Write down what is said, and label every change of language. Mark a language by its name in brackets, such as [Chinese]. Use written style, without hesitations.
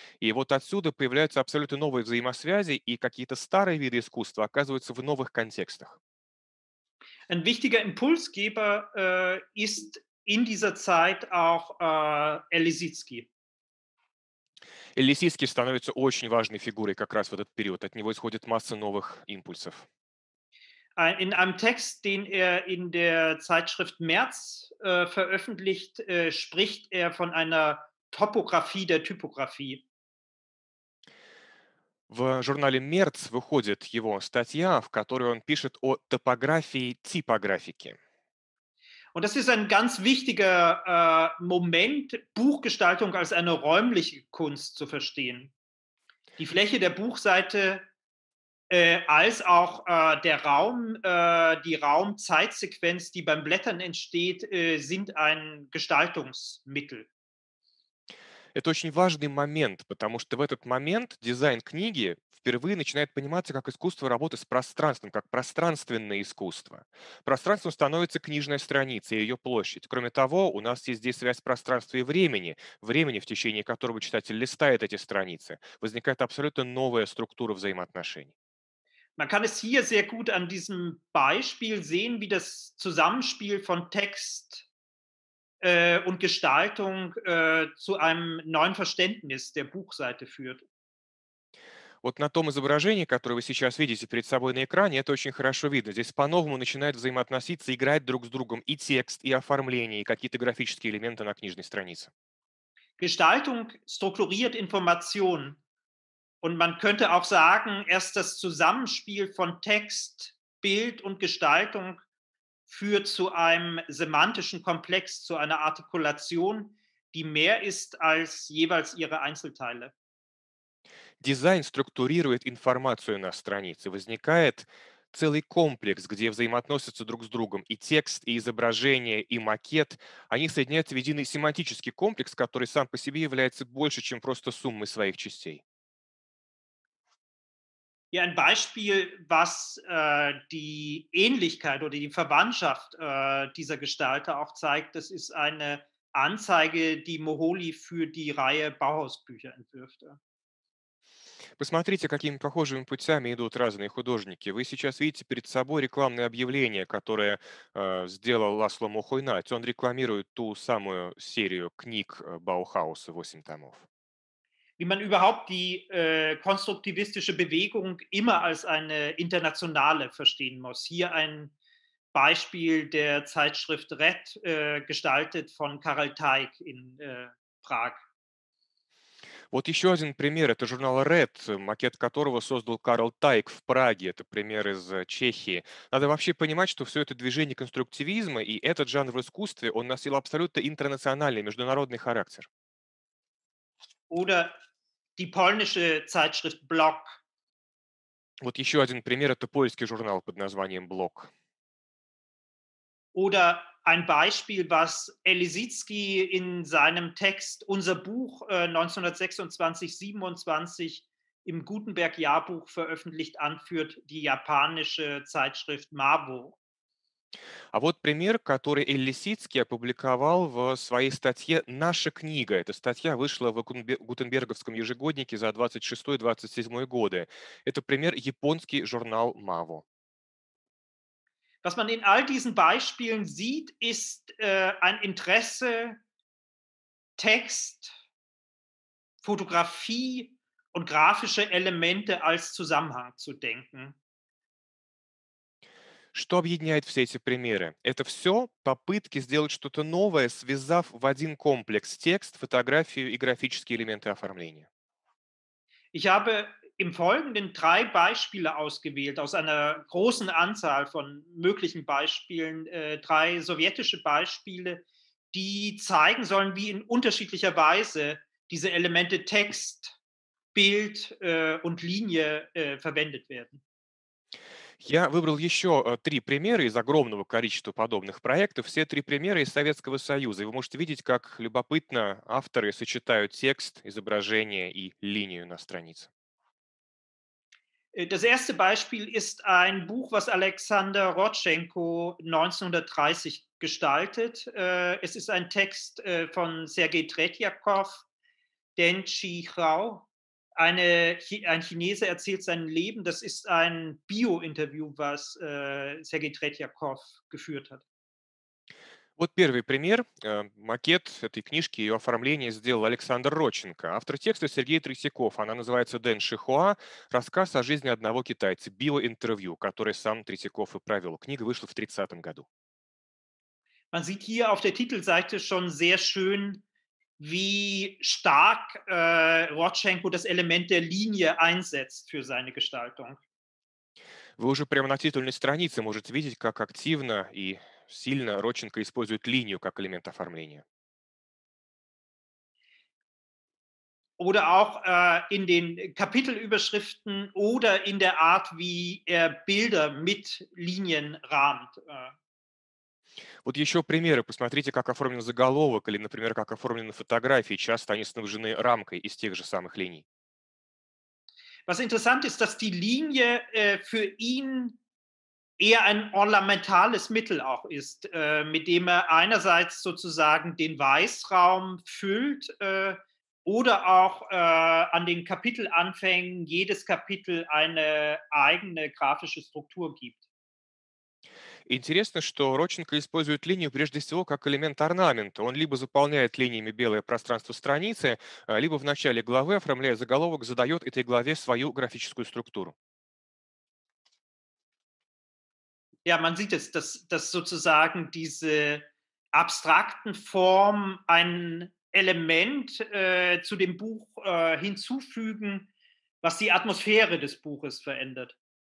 [Russian] И вот отсюда появляются абсолютно новые взаимосвязи, и какие-то старые виды искусства оказываются в новых контекстах. [German] Ein wichtiger Impulsgeber ist in dieser Zeit auch Elisitsky. [Russian] Лисицкий становится очень важной фигурой как раз в этот период. От него исходит масса новых импульсов. [German] In einem Text, den er in der Zeitschrift März veröffentlicht, spricht er von einer Topographie der Typographie. [Russian] В журнале «Мерц» выходит его статья, в которой он пишет о топографии типографики. [German] Und das ist ein ganz wichtiger Moment, Buchgestaltung als eine räumliche Kunst zu verstehen. Die Fläche der Buchseite als auch der Raum, die Raumzeitsequenz, die beim Blättern entsteht, sind ein Gestaltungsmittel. [Russian] Это очень важный момент, потому что в этот момент дизайн книги впервые начинает пониматься как искусство работы с пространством, как пространственное искусство. Пространством становится книжная страница и ее площадь. Кроме того, у нас есть здесь связь пространства и времени, времени, в течение которого читатель листает эти страницы. Возникает абсолютно новая структура взаимоотношений. [German] Man kann es hier sehr gut an diesem Beispiel sehen, wie das Zusammenspiel von Text und Gestaltung zu einem neuen Verständnis der Buchseite führt. [Russian] Вот на том изображении, которое вы сейчас видите перед собой на экране, это очень хорошо видно. Здесь по-новому начинают взаимоотноситься, играть друг с другом и текст, и оформление, и какие-то графические элементы на книжной странице. [German] Gestaltung strukturiert Informationen. Und man könnte auch sagen, erst das Zusammenspiel von Text, Bild und Gestaltung führt zu einem semantischen Komplex, zu einer Artikulation, die mehr ist als jeweils ihre Einzelteile. [Russian] Дизайн структурирует информацию на странице. Возникает целый комплекс, где взаимоотносятся друг с другом и текст, и изображение, и макет. Они соединяются в единый семантический комплекс, который сам по себе является больше, чем просто суммой своих частей. [German] Ja, ein Beispiel, was die Ähnlichkeit oder die Verwandtschaft dieser Gestalter auch zeigt, das ist eine Anzeige, die Moholy für die Reihe Bauhausbücher entwirft. [Russian] Посмотрите, какими похожими путями идут разные художники. Вы сейчас видите перед собой рекламное объявление, которое сделал Ласло Мохойнать. Он рекламирует ту самую серию книг Баухауса, 8 томов. [German] Wie man überhaupt die konstruktivistische Bewegung immer als eine internationale verstehen muss. Hier ein Beispiel der Zeitschrift Red, gestaltet von Karel Teig in Prag. [Russian] Вот еще один пример. Это журнал Red, макет которого создал Карл Тайк в Праге. Это пример из Чехии. Надо вообще понимать, что все это движение конструктивизма и этот жанр в искусстве, он носил абсолютно интернациональный, международный характер. [German] Oder die polnische Zeitschrift Blog. [Russian] Вот еще один пример, это польский журнал под названием Blog. [German] Oder ein Beispiel, was Lisicki in seinem Text Unser Buch 1926-27 im Gutenberg-Jahrbuch veröffentlicht anführt, die japanische Zeitschrift Mabo. [Russian] А вот пример, который Эль Лисицкий опубликовал в своей статье «Наша книга». Эта статья вышла в Гутенберговском ежегоднике за 26-27 годы. Это пример японский журнал «Маво». [German] Was man in all diesen Beispielen sieht, ist ein Interesse, Text, Fotografie und grafische Elemente als Zusammenhang zu denken. [Russian] Что объединяет все эти примеры? Это все попытки сделать что-то новое, связав в один комплекс текст, фотографию и графические элементы оформления. [German] Ich habe im Folgenden drei Beispiele ausgewählt aus einer großen Anzahl von möglichen Beispielen, drei sowjetische Beispiele, die zeigen sollen, wie in unterschiedlicher Weise diese Elemente Text, Bild und Linie verwendet werden. [Russian] Я выбрал еще три примера из огромного количества подобных проектов. Все три примера из Советского Союза. И вы можете видеть, как любопытно авторы сочетают текст, изображение и линию на странице. [German] Das erste Beispiel ist ein Buch, was Alexander Rodchenko 1930 gestaltet. Es ist ein Text von Sergei Tretjakov, Den Chihau. Ein Chinese erzählt sein Leben. Das ist ein Bio-Interview, was Sergei Tretjakov geführt hat. [Russian] Вот первый пример. Макет этой книжки, ее оформление сделал Александр Роченко. Автор текста Сергей Третьяков. Она называется «Дэн Шихуа. Рассказ о жизни одного китайца. Биоинтервью», который сам Третьяков и провел. Книга вышла в 30-м году. [German] Man sieht hier auf der Titelseite schon sehr schön, wie stark Rodchenko das Element der Linie einsetzt für seine Gestaltung. [Russian] Вы уже прямо на титульной странице можете видеть, как активно и сильно Родченко использует линию как элемент оформления. [German] Oder auch in den Kapitelüberschriften oder in der Art, wie er Bilder mit Linien rahmt. [Russian] Вот еще примеры. Посмотрите, как оформлен заголовок или, например, как оформлены фотографии. Часто они снабжены рамкой из тех же самых линий. [German] Was interessant ist, dass die Linie für ihn eher ein ornamentales Mittel auch ist, mit dem er einerseits sozusagen den Weißraum füllt oder auch an den Kapitelanfängen jedes Kapitel eine eigene grafische Struktur gibt. [Russian] Интересно, что Родченко использует линию прежде всего как элемент орнамента. Он либо заполняет линиями белое пространство страницы, либо в начале главы, оформляя заголовок, задает этой главе свою графическую структуру. [German] Ja, man sieht es, dass sozusagen diese abstrakten Formen ein Element zu dem Buch hinzufügen, was die Atmosphäre des Buches verändert.